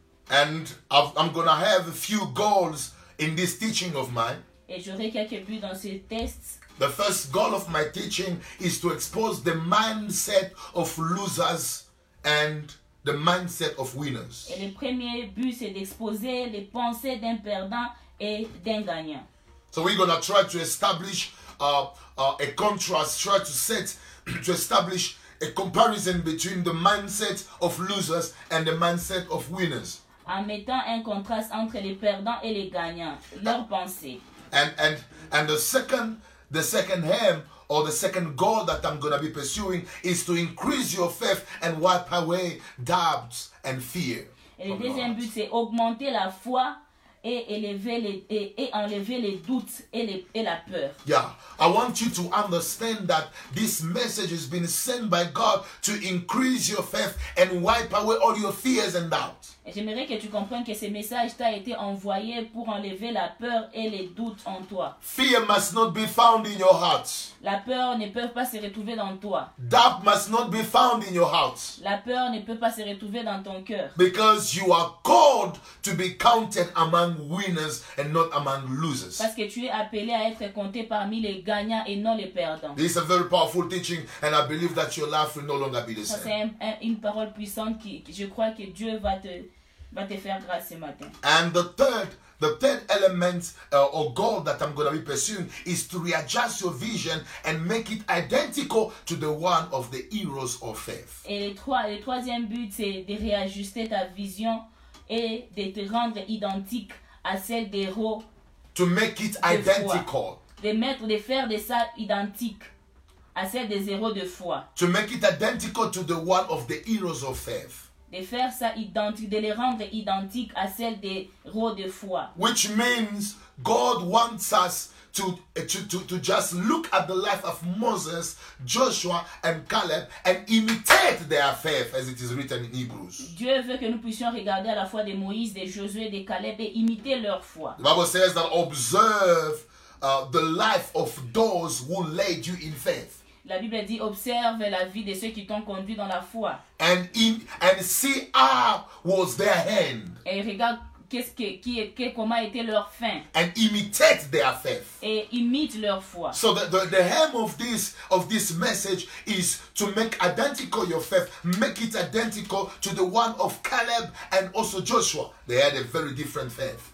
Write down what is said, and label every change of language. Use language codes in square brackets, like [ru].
[en] And I'm gonna have a few goals in this teaching of mine. [fr] Et j'aurai quelques buts dans ces tests. [en] The first goal of my teaching is to expose the mindset of losers and the mindset of winners. [fr] Et le premier but, c'est d'exposer les pensées d'un perdant et d'un gagnant. [en] So we're going to try to establish a contrast, establish a comparison between the mindset of losers and the mindset of winners. [fr] En mettant un contraste entre les perdants et les gagnants, leurs pensées. [en] And the second aim or the second goal that I'm going to be pursuing is to increase your faith and wipe away doubts and fear. [fr] Et le deuxième but, c'est augmenter la foi et enlever les doutes et la peur. [en] Yeah, I want you to understand that this message has been sent by God to increase your faith and wipe away all your fears and doubts. [fr] J'aimerais que tu comprennes que ce message t'a été envoyé pour enlever la peur et les doutes en toi. [en] Fear must not be found in your heart. [fr] La peur ne peut pas se retrouver dans toi. [en] Doubt must not be found in your heart. [fr] La peur ne peut pas se retrouver dans ton cœur. [en] Because you are called to be counted among winners and not among losers. [fr] Parce que tu es appelé à être compté parmi les gagnants et non les perdants. [en] This is a very powerful teaching and I believe that your life will no longer be the same. [fr] C'est une parole puissante qui je crois que Dieu va te faire grâce ce matin. [en] And the third element or goal that I'm going to be pursuing is to readjust your vision and make it identical to the one of the heroes of faith. [fr] Et le troisième but, c'est de réajuster ta vision et de te rendre identique à celle des héros. [en] To make it identical. [fr] De faire de ça identique à celle des héros de foi. [en] To make it identical to the one of the heroes of faith. [fr] De faire ça identique, de les rendre identiques à celle des héros de foi. [en] Which means God wants us to just look at the life of Moses, Joshua and Caleb and imitate their faith as it is written in Hebrews. [fr] Dieu veut que nous puissions regarder à la foi de Moïse, de Josué, de Caleb et imiter leur foi. [en] The Bible says that observe the life of those who led you in faith. [fr] La Bible dit observe la vie de ceux qui t'ont conduit dans la foi. [en] And see how was their end. [fr] Et regarde comment était leur fin. [en] And imitate their faith. [fr] Et imite leur foi. [en] So the aim of this message is to make identical your faith, make it identical to the one of Caleb and also Joshua. They had a very different faith.